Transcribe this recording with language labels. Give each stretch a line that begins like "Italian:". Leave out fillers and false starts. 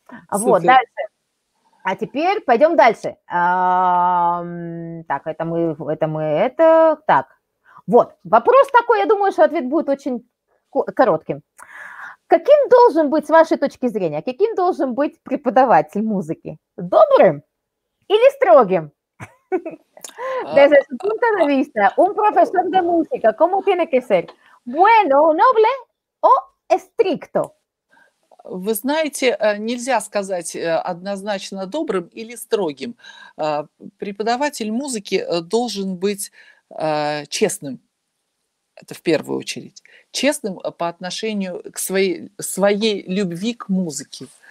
Russian: Супер. Вот, дальше. А теперь пойдем дальше. Так, это мы. Так, вот, вопрос такой, я думаю, что ответ будет очень коротким. Каким должен быть, с вашей точки зрения, каким должен быть преподаватель музыки? Добрым или строгим?
Spanish: Desde su punto de vista, un profesor de música, ¿cómo tiene que ser? ¿Bueno, noble o estricto?
Russian: Вы знаете, нельзя сказать однозначно добрым или строгим. Преподаватель музыки должен быть честным. Это в первую очередь. Честным по отношению к своей любви к музыке.